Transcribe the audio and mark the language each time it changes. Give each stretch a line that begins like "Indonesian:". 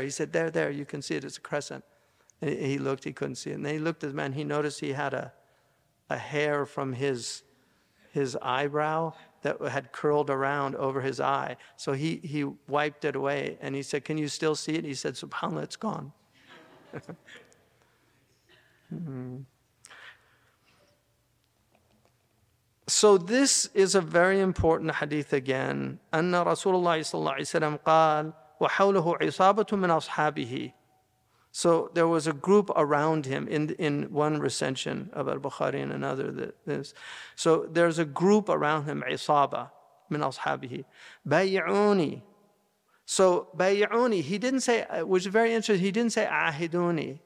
English: He said, "There, there, you can see it, it's a crescent." And he looked, he couldn't see it. And then he looked at the man, he noticed he had a hair from his eyebrow that had curled around over his eye. So he wiped it away and he said, "Can you still see it?" He said, "SubhanAllah, it's gone." So this is a very important hadith again.
Arabic: أن رسول الله صلى الله عليه وسلم قال وحوله عصابة من أصحابه.
English: So there was a group around him in one recension of Al-Bukhari and another that this. So there's a group around him,
Arabic: عصابة من أصحابه. بايعوني.
English: So بايعوني, he didn't say, which is very interesting, he didn't say عاهدوني.